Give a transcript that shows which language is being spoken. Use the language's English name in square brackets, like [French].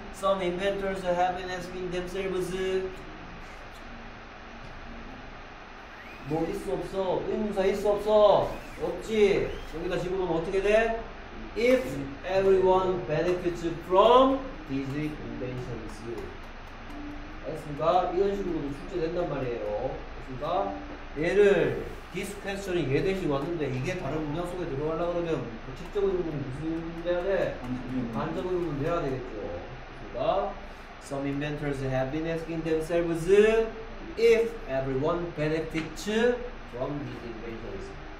[English] Some inventors have been asking themselves [Korean] 뭐 있어 없어? 의문사 있어 없어? 없지? 여기다 집어넣으면 어떻게 돼? [English] If everyone benefits from these inventions 알겠습니까? [Korean] 이런 식으로도 출제된단 말이에요. 얘를 this question이 얘 대신 왔는데 이게 다른 문장 속에 들어가려고 그러면 규칙적 의문은 무슨 돼야 돼? 반적 의문은 돼야 되겠죠. [English] 그러니까 Some inventors have been asking themselves if everyone benefits from these inventions.